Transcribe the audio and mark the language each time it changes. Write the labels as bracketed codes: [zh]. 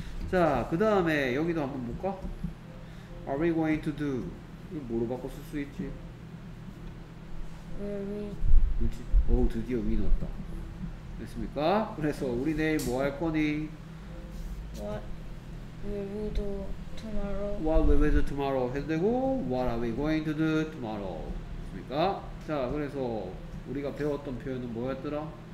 [ko] 자, 그 다음에 여기도 한번 볼까? [en] Are we going to do [ko] 이거 뭐로 바꿔 쓸 수 있지? [en] Will we [ko] 오 드디어 위 넣었다. 됐습니까? 그래서 우리 내일 뭐 할 거니? [en] What will we do Tomorrow. What will we do tomorrow? [ko] 해도 되고 [en] What are we going to do tomorrow? [ko] 됐습니까? 자, 그래서 우리가 배웠던 표현은 뭐였더라?